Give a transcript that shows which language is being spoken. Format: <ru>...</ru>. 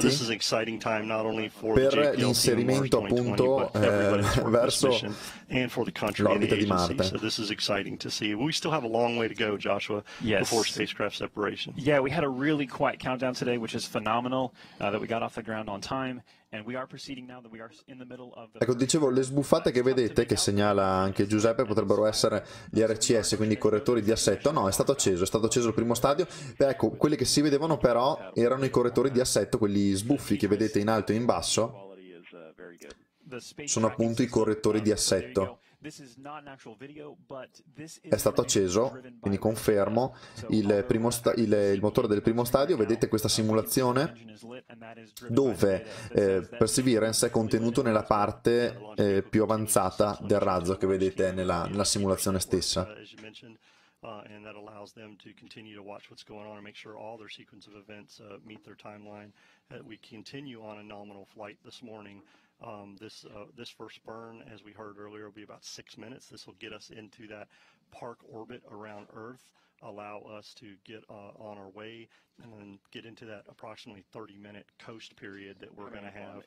<en>so this is exciting time not only for</en> <it>per l'inserimento appunto verso</it> <en>and for the country and the agency. So this is exciting to see. We still have a long way to go, Joshua, yes, before spacecraft separation. Yeah, we had a really quiet countdown today, which is phenomenal that we got off the ground on time.</en> <it>Ecco, dicevo, le sbuffate che vedete, che segnala anche Giuseppe, potrebbero essere gli RCS, quindi i correttori di assetto. No, è stato acceso il primo stadio. Beh, ecco, quelli che si vedevano però erano i correttori di assetto, quelli sbuffi che vedete in alto e in basso, sono appunto i correttori di assetto. È stato acceso, quindi confermo, il motore del primo stadio. Vedete questa simulazione dove Perseverance è contenuto nella parte più avanzata del razzo che vedete nella simulazione stessa.</it> <en>And that allows them to continue to watch what's going on and make sure all their sequence of events meet their timeline. We continue on a nominal flight this morning. This first burn, as we heard earlier, will be about 6 minutes. This will get us into that park orbit around Earth, allow us to get on our way, and then get into that approximately 30-minute coast period that we're going to have.</en>